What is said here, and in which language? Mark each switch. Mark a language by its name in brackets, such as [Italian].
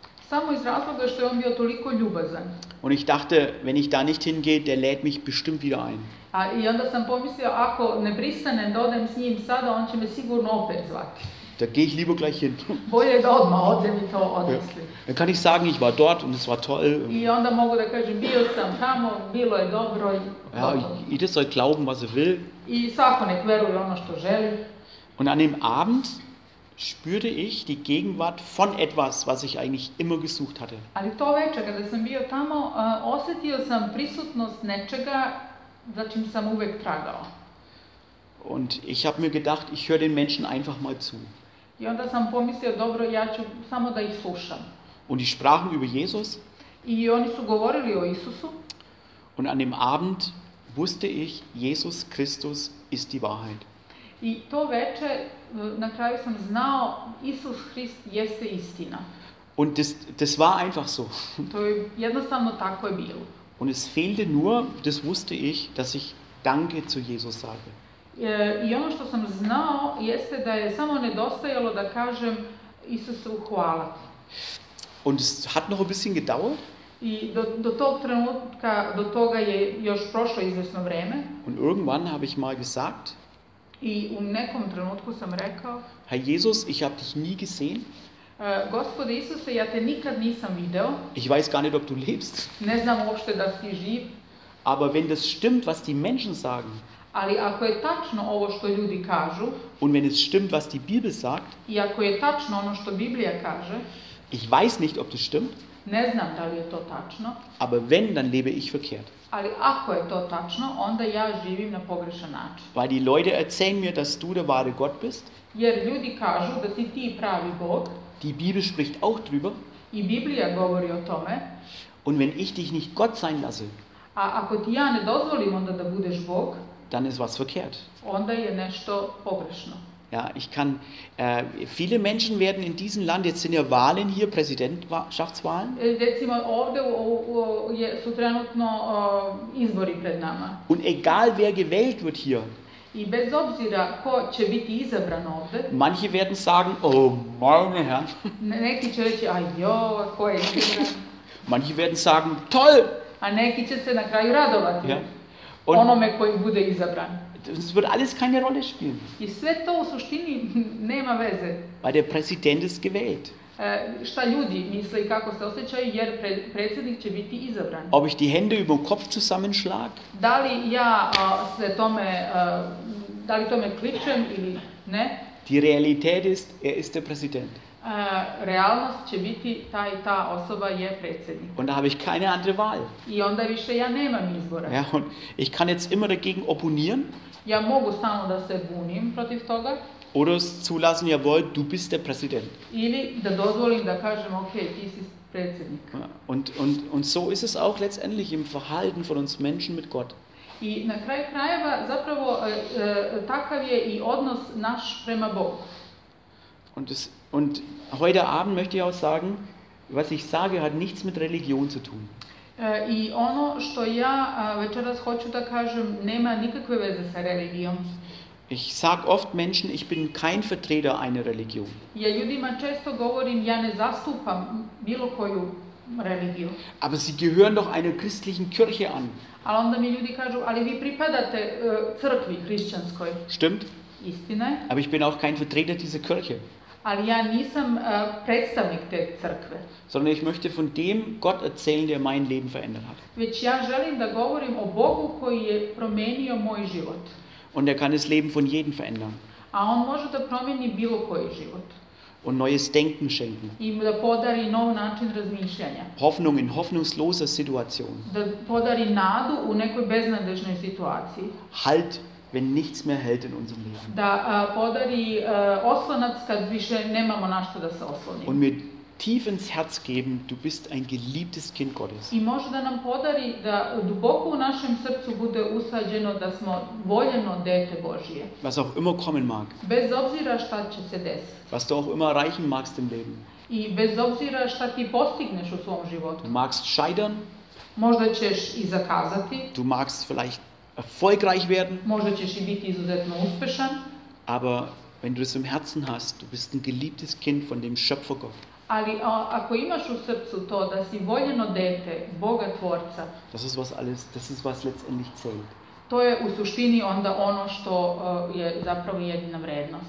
[Serbian] Samo iz razloga što je on bio toliko ljubazan. [German] Und ich dachte, wenn ich da nicht hingehe, der lädt mich bestimmt wieder ein. [Serbian] A, i onda sam pomislio, ako ne pristanem da odem s njim sada, on će me sigurno opet zvati. [German] Da gehe ich lieber gleich hin. [Serbian] Bolje da odmah odem i to odnesli. [German] Ja. Dann kann ich sagen, ich war dort und es war toll. [Serbian] I onda mogu da kažem, bio sam tamo, bilo je dobro. [German] Ja, jeder soll glauben, was er will. [Serbian] I svako nek veruje ono što želi. [German] Und an dem Abend spürte ich die Gegenwart von etwas, was ich eigentlich immer gesucht hatte. [Serbian] Ali to večer, kada sam bio tamo, osjetio sam prisutnost nečega za čim sam uvek tragao. [German] Und ich habe mir gedacht, ich höre den Menschen einfach mal zu. [Serbian] I onda sam pomislio, dobro, ja ću samo da ih slušam. [German] Und die sprachen über Jesus. [Serbian] I oni su govorili o Isusu. [German] Und an dem Abend wusste ich, Jesus Christus ist die Wahrheit. [Serbian] I to veče, na kraju sam znao, Isus Hrist jeste istina. [German] Und das war einfach so. [Serbian] To je jednostavno tako je bilo. [German] Und es fehlte nur, das wusste ich, dass ich Danke zu Jesus sage. [Serbian] I ono što sam znao jeste da je samo nedostajalo da kažem Isusu hvala. [German] Und es hat noch ein bisschen gedauert. [Serbian] I do tog trenutka, do toga je još prošlo izvesno vreme. [German] Und irgendwann habe ich mal gesagt. [Serbian] I u nekom trenutku sam rekao. [German] Herr Jesus, ich habe dich nie gesehen. [Serbian] Gospode Isuse, ja te nikad nisam video. [German] Ich weiß gar nicht, ob du lebst. [Serbian] Ne znam uopšte da si živ. [German] Aber wenn das stimmt, was die Menschen sagen. [Serbian] Ali ako je tačno ovo što ljudi kažu. [German] Und wenn es stimmt, was die Bibel sagt. [Serbian] I ako je tačno ono što Biblija kaže. [German] Ich weiß nicht, ob das stimmt. [Serbian] Ne znam da li je to tačno. [German] Aber wenn, dann lebe ich verkehrt. [Serbian] Ali ako je to tačno, onda ja živim na pogrešan način. [German] Weil die Leute erzählen mir, dass du der wahre Gott bist. [Serbian] Jer ljudi kažu da si ti pravi Bog. [German] Die Bibel spricht auch drüber. [Serbian] I Biblija govori o tome. [German] Und wenn ich dich nicht Gott sein lasse, [Serbian] a ako ti ja ne dozvolim onda da budeš Bog, [German] dann ist was verkehrt. [Serbian] Onda je nešto pogrešno. [German] Ja, ich kann, viele Menschen werden in diesem Land, jetzt sind ja Wahlen hier, Präsidentschaftswahlen. [Serbian] Recimo, ovde su trenutno izbori pred nama. [German] Und egal wer gewählt wird hier, [Serbian] i bez obzira ko će biti izabran ovde. [German] Manche werden sagen, oh meine Herren. [Serbian] Neki će reći, ajo, ko je izabran. [German] Manche werden sagen, toll. [Serbian] A neki će se na kraju radovati. [German] Ja. [Serbian] Onome koji bude izabran. [German] Es wird alles keine Rolle spielen. [Serbian] I sve to u suštini nema veze. [German] Weil der Präsident ist gewählt. [Serbian] Šta ljudi misle i kako se osjećaju jer predsjednik će biti izabran. [German] Ob ich die Hände über den Kopf zusammenschlag? [Serbian] Da li ja se tome da li tome klikčem ili ne? [German] Die Realität ist, er ist der Präsident. [Serbian] Realnost će biti ta osoba je predsjednik. [German] Und da habe ich keine andere Wahl. [Serbian] I onda više ja nemam izbora. [German] Ja, und ich kann jetzt immer dagegen opponieren. [Serbian] Ja mogu stalno da se bunim protiv toga. [German] Oder es zulassen, jawohl, du bist der Präsident. [Serbian] Ili da dozvolim da kažem, okay, ti si predsjednik. [German] Und so ist es auch letztendlich im Verhalten von uns Menschen mit Gott. [Serbian] I na kraju krajeva, zapravo, takav je i odnos naš prema Bogu. [German] Und heute Abend möchte ich auch sagen, was ich sage, hat nichts mit Religion zu tun. [Serbian] I ono što ja večeras hoću da kažem, nema nikakve veze sa religijom. [German] Ich sag oft Menschen, ich bin kein Vertreter einer Religion. [Serbian] Ja, ljudima često govorim, ja ne zastupam bilo koju religiju. [German] Aber sie gehören doch einer christlichen Kirche an. [Serbian] Ali onda mi ljudi kažu, ali vi pripadate crkvi hrišćanskoj. [German] Stimmt. [Serbian] Istina je. [German] Aber ich bin auch kein Vertreter dieser Kirche. [Serbian] Ali ja nisam predstavnik te crkve. [German] Sondern ich möchte von dem Gott erzählen, der mein Leben verändert hat. [Serbian] Već ja želim da govorim o Bogu koji je promenio moj život. [German] Und er kann das Leben von jedem verändern. [Serbian] A on može da promijeni bilo koji život. [German] Und neues Denken schenken. [Serbian] I da podari nov način razmišljanja. [German] Hoffnung in hoffnungsloser Situation. [Serbian] Da podari nadu u nekoj beznadežnoj situaciji. [German] Halt, wenn nichts mehr hält in unserem Leben. [Serbian] Da podari oslonac kad više nemamo na što da se oslonimo. [German] Und mir tief ins Herz geben, du bist ein geliebtes Kind Gottes. [Serbian] I može da nam podari da duboko u našem srcu bude usađeno da smo voljeno dete Božije. [German] Was auch immer kommen mag. [Serbian] Bez obzira šta će se desiti. [German] Was du auch immer erreichen magst im Leben. [Serbian] I bez obzira šta ti postigneš u svom životu. [German] Du magst scheitern. [Serbian] Možda ćeš i zakazati. [German] Du magst vielleicht erfolgreich werden. [Serbian] Možda ćeš i biti izuzetno uspešan. [German] Aber wenn du es im Herzen hast, du bist ein geliebtes Kind von dem Schöpfer Gott. [Serbian] Ali ako imaš u srcu to da si voljeno dete Boga Tvorca. [German] Das ist was alles, das ist was letztendlich zählt. [Serbian] To je u suštini onda ono što je zapravo jedina vrednost.